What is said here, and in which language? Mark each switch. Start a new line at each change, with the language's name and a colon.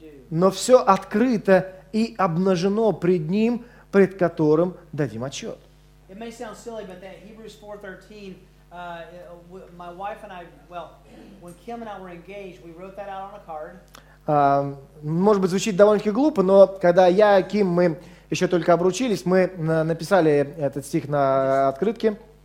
Russian: Но все открыто и обнажено пред Ним, пред которым дадим отчет.
English: It may sound silly, but that Hebrews 4:13, my wife and I, well, when Kim and I were engaged, we wrote that out on a card.
Russian: Может быть, звучит довольно-таки глупо, но когда я и Ким, мы еще только обручились, мы написали этот стих на открытке.